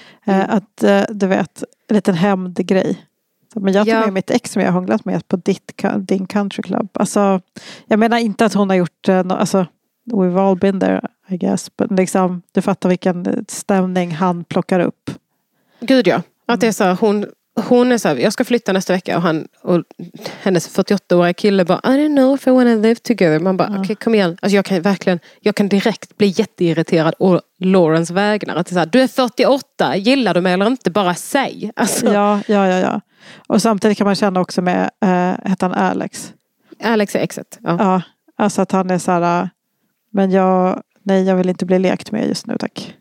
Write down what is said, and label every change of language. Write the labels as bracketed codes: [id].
[sv] Att du vet, en liten hämndgrej. Men jag tar med mitt ex som jag har hånglat med på din country club. Alltså, jag menar inte att hon har gjort alltså, we've all been there, I guess. Men liksom, du fattar vilken stämning han plockar upp. Gud ja. Att det är så, hon är så här, jag ska flytta nästa vecka. [en] Och hennes 48-åriga kille bara, I don't know if I want to live together. [sv] Man bara, okej, kom igen. Alltså, jag kan direkt bli jätteirriterad och Laurens vägnar. Att det är så här, du är 48, gillar du mig eller inte? Bara säg. Alltså. Ja. Och samtidigt kan man känna också med heter han Alex. Alex är exet. Ja, alltså att han är så här, men jag vill inte bli lekt med just nu, tack.